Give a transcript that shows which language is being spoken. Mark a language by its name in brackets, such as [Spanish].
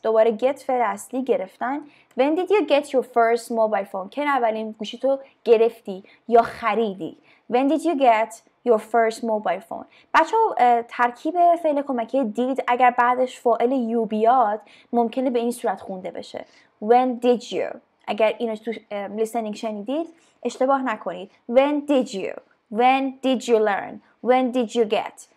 [Persian] دوباره get فعل اصلی گرفتن. [English] When did you get your first mobile phone? [Persian] کی اولین گوشی تو گرفتی یا خریدی. [English] When did you get your first mobile phone? [Persian] بچه ترکیب فعل کمکی did اگر بعدش فاعل you بیاد ممکنه به این صورت خونده بشه. [English] When did you. [Persian] اگر اینو تو listening شنیدید اشتباه نکنید. [English] When did you. When did you learn. When did you get.